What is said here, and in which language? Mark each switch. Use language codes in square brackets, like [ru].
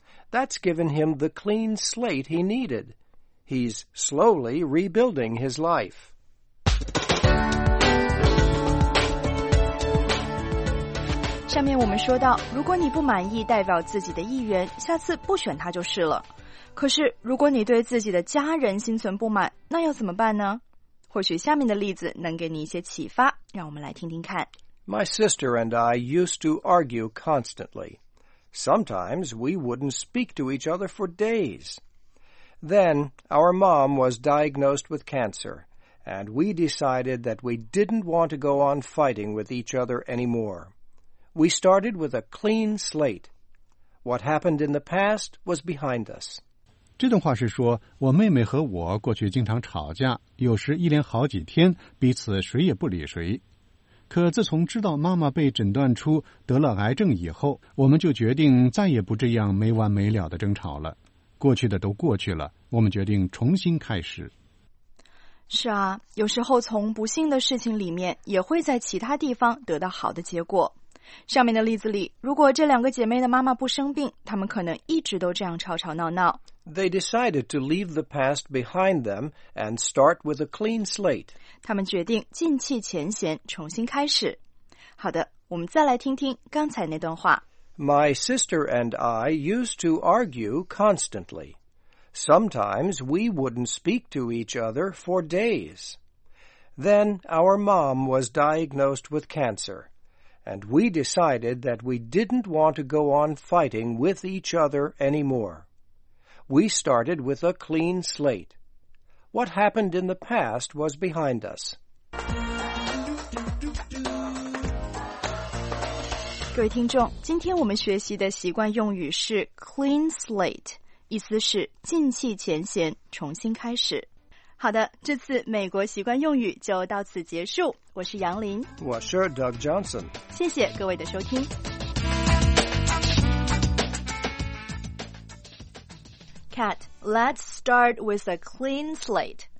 [en] That's given him the clean slate he needed. He's slowly rebuilding his life. [zh] 下面我们说到，如果你不满意代表自己的议员，下次不选他就是了。可是如果你对自己的家人心存不满，那要怎么办呢？或许下面的例子能给你一些启发，让我们来听听看。 [en] My sister and I used to argue constantly. Sometimes we wouldn't speak to each other for days. Then our mom was diagnosed with cancer, and we decided that we didn't want to go on fighting with each other anymore. We started with a clean slate. What happened in the past was behind us. [zh] 这段话是说，我妹妹和我过去经常吵架，有时一连好几天，彼此谁也不理谁。可自从知道妈妈被诊断出得了癌症以后，我们就决定再也不这样没完没了的争吵了。过去的都过去了，我们决定重新开始。是啊，有时候从不幸的事情里面，也会在其他地方得到好的结果。上面的例子里，如果这两个姐妹的妈妈不生病，她们可能一直都这样吵吵闹闹。 [en] They decided to leave the past behind them and start with a clean slate. [zh] 她们决定摒弃前嫌，重新开始。好的，我们再来听听刚才那段话。 [en] My sister and I used to argue constantly. Sometimes we wouldn't speak to each other for days. Then our mom was diagnosed with cancer. And we decided that we didn't want to go on fighting with each other anymore. We started with a clean slate. What happened in the past was behind us. [zh] 各位听众，今天我们学习的习惯用语是 clean slate, 意思是摒弃前嫌，重新开始。好的，这次美国习惯用语就到此结束。我是杨林，我是 Doug Johnson。谢谢各位的收听。 [en] Cat, let's start with a clean slate.